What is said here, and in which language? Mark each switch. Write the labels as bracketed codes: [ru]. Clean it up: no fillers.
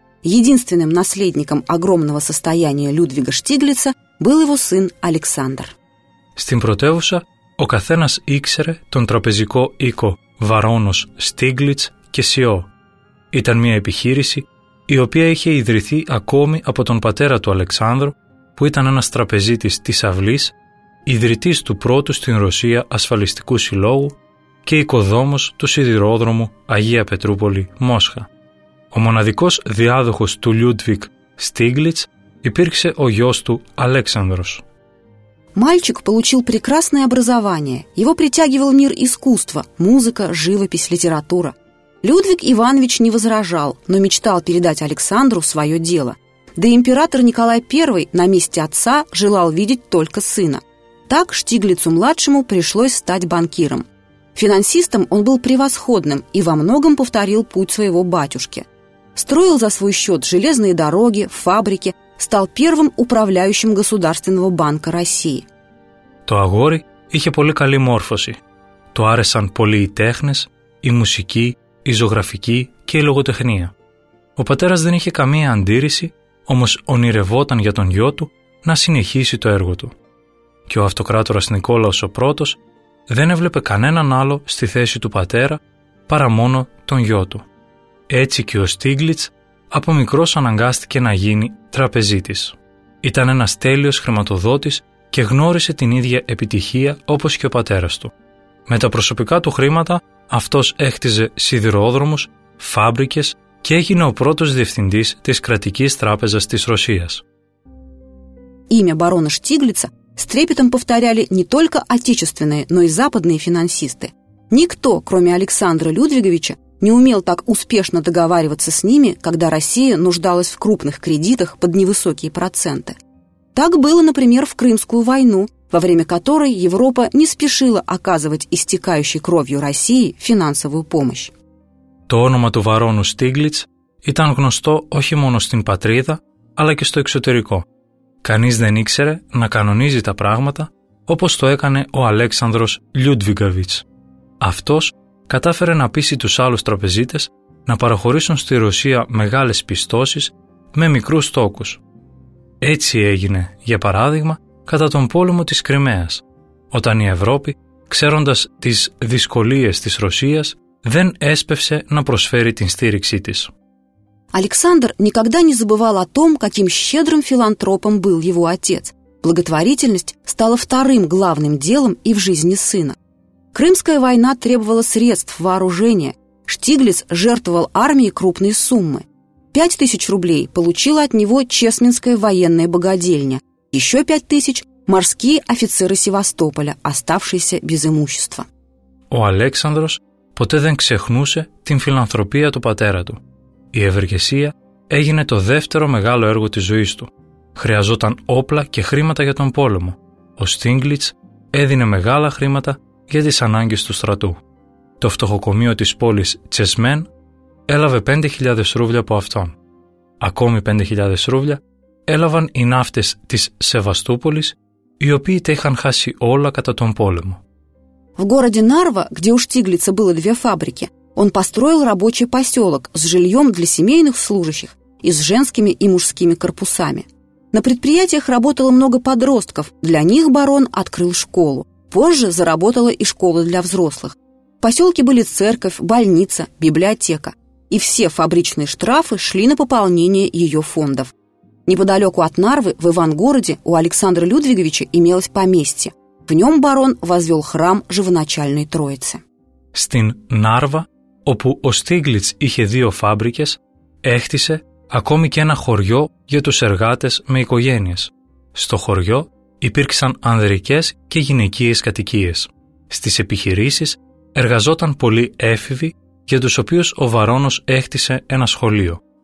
[ru] Единственным наследником огромного состояния Людвига Штиглица был его сын Александр. [el] Στην πρωτεύουσα ο καθένας ήξερε τον τραπεζικό οίκο Βαρόνος Στίγκλιτς και Σιό. Ήταν μια επιχείρηση η οποία είχε ιδρυθεί ακόμη από τον πατέρα του Αλεξάνδρου, που ήταν ένας τραπεζίτης της αυλής, ιδρυτής του πρώτου στην Ρωσία ασφαλιστικού συλλόγου και οικοδόμος του σιδηρόδρομου Αγία Πετρούπολη Μόσχα. Ο μοναδικός διάδοχος του Λιούντβικ Στίγκλιτς υπήρξε ο γιος του Αλέξανδρος. [ru] Мальчик получил прекрасное образование. Его притягивал мир искусства, музыка, живопись, литература. Людвиг Иванович не возражал, но мечтал передать Александру свое дело. Да и император Николай I на месте отца желал видеть только сына. Так Штиглицу-младшему пришлось стать банкиром. Финансистом он был превосходным и во многом повторил путь своего батюшки. Строил за свой счет железные дороги, фабрики, стал первым управляющим Государственного банка России. [el] То агори είχε πολύ καλή μόρφωση. Το άρεσαν πολύ οι τέχνες, η μουσική, η ζωγραφική και η λογοτεχνία. Ο πατέρας δεν είχε καμία αντίρρηση, όμως ονειρευόταν για τον γιο του να συνεχίσει το έργο του. Και ο αυτοκράτορας Νικόλαος ο πρώτος δεν έβλεπε κανέναν άλλο στη θέση του πατέρα παρά μόνο τον γιο του. Έτσι και ο Στίγκλιτς από μικρός αναγκάστηκε να γίνει τραπεζίτης. ήταν ένας τέλειος χρηματοδότης και γνώρισε την ίδια επιτυχία όπως και ο πατέρας του. Με τα προσωπικά του χρήματα αυτός έκτιζε σιδηρόδρομους, φάμπρικες και έγινε ο πρώτος διευθυντής της κρατικής τράπεζας της Ρωσίας. [ru] Имя барона Штиглица с трепетом повторяли не только отечественные, но и западные финансисты. Никто, кроме Александра Людвиговича, не умел так успешно договариваться с ними, когда Россия нуждалась в крупных кредитах под невысокие проценты. Так было, например, в Крымскую войну, во время которой Европа не спешила оказывать истекающей кровью России финансовую помощь. [el] То όνομα του Βαρόνου Στίγκλιτς ήταν γνωστό όχι μόνο στην πατρίδα, αλλά και στο εξωτερικό. Κανείς δεν ήξερε να κανονίζει τα πράγματα όπως το έκανε ο Αλέξανδρος Λιούντβιγκαβιτς. Αυτός κατάφερε να πείσει τους άλλους τραπεζίτες να παραχωρήσουν στη Ρωσία μεγάλες πιστώσεις με μικρούς τόκους. Έτσι έγινε, για παράδειγμα, κατά τον πόλεμο της Κρυμαίας, όταν η Ευρώπη, ξέροντας τις δυσκολίες της Ρωσίας, δεν έσπευσε να προσφέρει την στήριξή της. [ru] Александр никогда не забывал о том, каким щедрым филантропом был его отец. Благотворительность стала вторым главным делом и в жизни сына. Крымская война требовала средств вооружения. Штиглиц жертвовал армии крупные суммы. 5000 рублей получила от него Чесминская военная богадельня. Еще 5000 – морские офицеры Севастополя, оставшиеся без имущества. [el] О Александрос ποτέ δεν ξεχνούσε την φιλανθρωπία του πατέρα του. Η ευεργεσία έγινε το δεύτερο μεγάλο έργο της ζωής του. Χρειαζόταν όπλα και χρήματα για τον πόλεμο. Ο Στίγκλιτς έδινε μεγάλα χρήματα για τις ανάγκες του στρατού. Το φτωχοκομείο της πόλης Τσεσμέν έλαβε 5.000 ρούβλια από αυτόν. Ακόμη 5.000 ρούβλια έλαβαν οι ναύτες της Σεβαστούπολης, οι οποίοι τα είχαν χάσει όλα κατά τον πόλεμο. [ru] В городе Нарва, где у Штиглица было две фабрики, он построил рабочий поселок с жильем для семейных служащих и с женскими и мужскими корпусами. На предприятиях работало много подростков, для них барон открыл школу. Позже заработала и школа для взрослых. В поселке были церковь, больница, библиотека. И все фабричные штрафы шли на пополнение ее фондов. Неподалеку от Нарвы, в Ивангороде, у Александра Людвиговича имелось поместье. В нем барон возвел храм Живоначальной Троицы. [el] Στην Νάρβα, όπου ο Στίγκλιτς είχε δύο φάμπρικες, έκτισε ακόμη και ένα χωριό για τους εργάτες με οικογένειες. Στο χωριό υπήρξαν ανδρικές και γυναικείες κατοικίες. Στις επιχειρήσεις εργαζόταν πολλοί έφηβοι για τους οποίους ο Βαρόνος έκτισε ένα σχολείο.